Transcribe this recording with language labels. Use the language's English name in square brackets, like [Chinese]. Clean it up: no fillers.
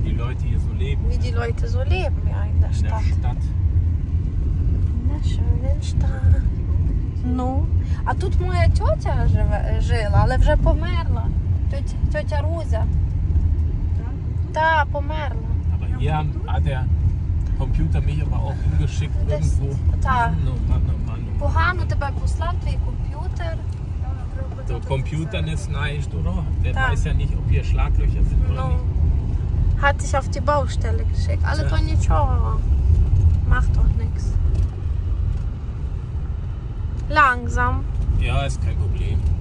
[German] wie die Leute hier so leben. Wie die Leute so leben, ja, in der Stadt. In der Stadt. In der schönen Stadt. [Russian] Ну, а тут моя тетя жила, [Ukrainian] але вже померла. [Russian] Тетя Рузя. Да, померла. [German] Aber hier hat der Computer mich aber auch hingeschickt irgendwo. [Ukrainian] Так. Погано тебе послав твій комп'ютер. [German] Der Computer ist nice, oder? Der weiß ja nicht, ob hier Schlaglöcher sind oder nicht. Hat dich auf die Baustelle geschickt. Alle tun nichts. Macht doch nichts. Langsam. Ja, ist kein Problem.